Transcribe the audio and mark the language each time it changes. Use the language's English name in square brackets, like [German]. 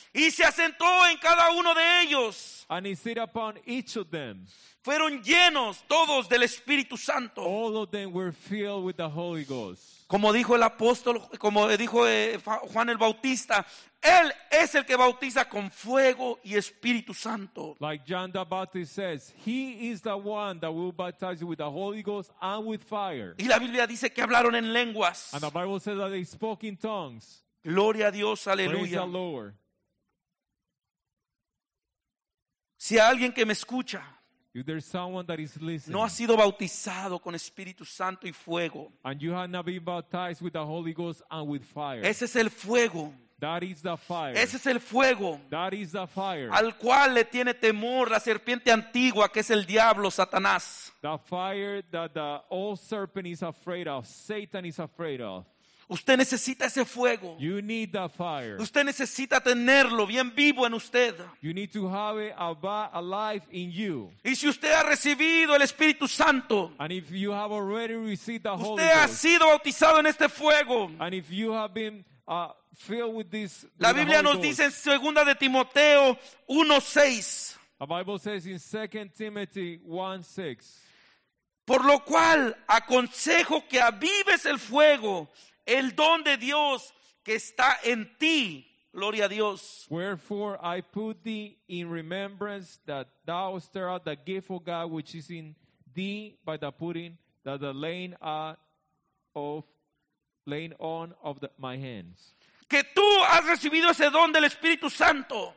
[Spanish] Y se asentó en cada uno de ellos. [English] And he sat upon each of them. [Spanish] Fueron llenos todos del Espíritu Santo. [English] All of them were filled with the Holy Ghost. [Spanish] Como dijo el apóstol, como dijo Juan el Bautista, él es el que bautiza con fuego y Espíritu Santo. [English] Like John the Baptist says, he is the one that will baptize you with the Holy Ghost and with fire. [Spanish] Y la Biblia dice que hablaron en lenguas. [English] And the Bible says that they spoke in tongues. [Spanish] Gloria a Dios, aleluya. [English] Praise the Lord. [Spanish] Si a alguien que me escucha, [English] if there's someone that is listening, [Spanish] no ha sido bautizado con Espíritu Santo y fuego, [English] and you have not been baptized with the Holy Ghost and with fire, [Spanish] ese es el fuego. [English] That is the fire. [Spanish] Ese es el fuego. [English] That is the fire. [Spanish] Al cual le tiene temor la serpiente antigua, que es el diablo, Satanás. [English] The fire that the old serpent is afraid of, Satan is afraid of. [Spanish] Usted necesita ese fuego. [English] You need the fire. [Spanish] Usted necesita tenerlo bien vivo en usted. [English] You need to have it alive in you. [Spanish] Y si usted ha recibido el Espíritu Santo, [English] and if you have already received the Holy Ghost, [Spanish] usted ha sido bautizado en este fuego. [English] And if you have been filled with this, [Spanish] la Biblia nos dice en 2 de Timoteo 1:6. [English] The Bible says in 2 Timothy 1:6. [Spanish] Por lo cual aconsejo que avives el fuego. El don de Dios que está en ti, gloria a Dios. [English] Wherefore I put thee in remembrance that thou stir up the gift of God which is in thee by the putting that the laying on of my hands. [Spanish] Que tú has recibido ese don del Espíritu Santo.